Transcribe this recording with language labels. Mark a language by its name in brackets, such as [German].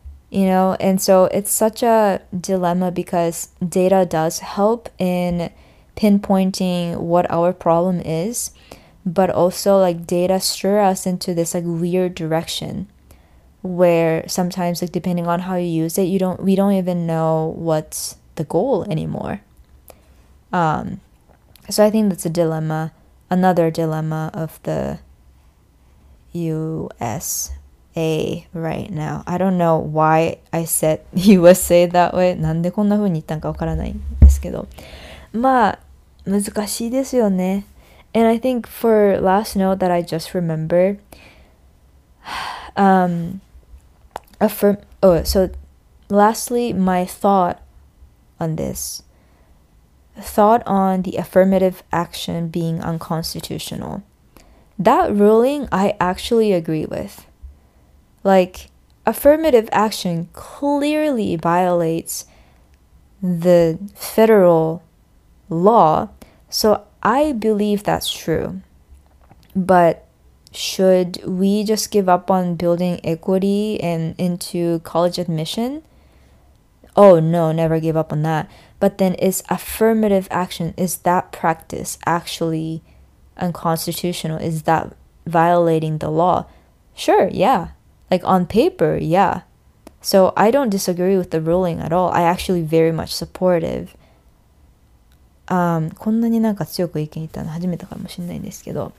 [English] You know, and so it's such a dilemma because data does help in pinpointing what our problem is, but also like data steer us into this like weird direction where sometimes like depending on how you use it, we don't even know what's the goal anymore. So I think that's a dilemma, another dilemma of the USA right now. I don't know why I said USA that way. [Japanese] なんでこんな風に言ったんかわからないんですけど。まあ、難しいですよね。 [English] And I think for last note that I just remembered, so lastly, my thought on this. Thought on the affirmative action being unconstitutional. That ruling I actually agree with. Like, affirmative action clearly violates the federal law, so I believe that's true. But should we just give up on building equity and into college admission? Oh no, never give up on that. But then is affirmative action, is that practice actually unconstitutional? Is that violating the law? Sure, yeah. Like on paper, yeah. So I don't disagree with the ruling at all. I actually very much supportive. [Japanese] こんなになんか強く意見言ったの初めてかもしれないんですけど。